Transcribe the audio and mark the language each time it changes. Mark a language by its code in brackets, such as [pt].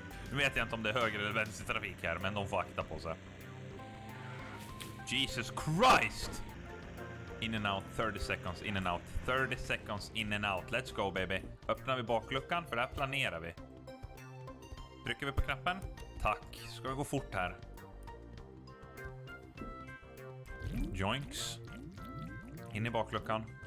[sv] Nu vet jag inte om det är höger eller vänster trafik här, men de får akta på sig. [en] Jesus Christ! In and out, 30 seconds, in and out, 30 seconds, in and out. Let's go, baby. [sv] Öppnar vi bakluckan, för det här planerar vi. Trycker vi på knappen? Tack. Ska vi gå fort här? Joinks. In i bakluckan.